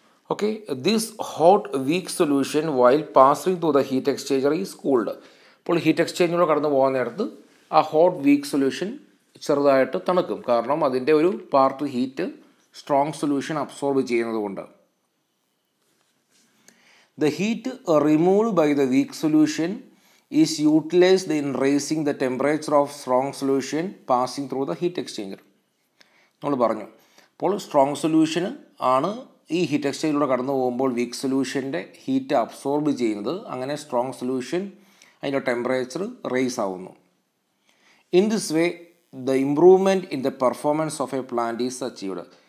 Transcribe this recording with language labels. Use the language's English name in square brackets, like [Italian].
[English] Okay, this hot weak solution while passing through the heat exchanger is cooled. [Malayalam] അപ്പോൾ heat എക്സ്ചേഞ്ചിലൂടെ കടന്നു പോകുന്ന നേരത്ത് ആ ഹോട്ട് വീക്ക് സൊല്യൂഷൻ ചെറുതായിട്ട് തണുക്കും, കാരണം അതിൻ്റെ ഒരു part heat strong solution absorb ചെയ്യുന്നതുകൊണ്ട്. [English] The heat removed by the weak solution is utilized in raising the temperature of strong solution passing through the heat exchanger. [Malayalam] നമ്മൾ പറഞ്ഞു, അപ്പോൾ സ്ട്രോങ് സൊല്യൂഷൻ ആണ് ഈ ഹീറ്റ് എക്സ്ചേഞ്ചിലൂടെ കടന്നു പോകുമ്പോൾ വീക്ക് സൊല്യൂഷൻ്റെ ഹീറ്റ് അബ്സോർബ് ചെയ്യുന്നത്. അങ്ങനെ സ്ട്രോങ് സൊല്യൂഷൻ അതിൻ്റെ ടെമ്പറേച്ചർ റേസ് ആവുന്നു. [English] In this way the improvement in the performance of a plant is achieved.